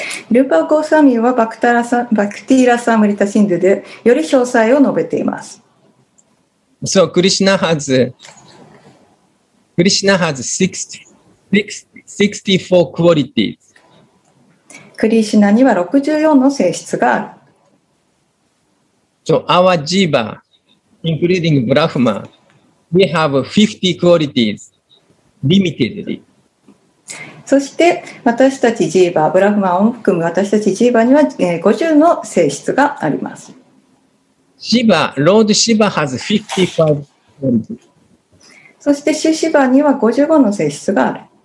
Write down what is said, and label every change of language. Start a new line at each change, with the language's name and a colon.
Japanese: ルーパゴスワミはバクティラサムリタ Sindhu でより詳細を述べています。
English: So Krishna has 64 qualities。
Japanese: クリシナには64の性質がある。
English: So our jiva, including Brahma, we have 50 qualities limitedly.
Japanese: そして私たちジーバ、ブラフマを含む私たちジーバには50の性質があります。
English: Shiva, Lord Shiva has 55 qualities.
Japanese: そしてシュシバには55の性質がある。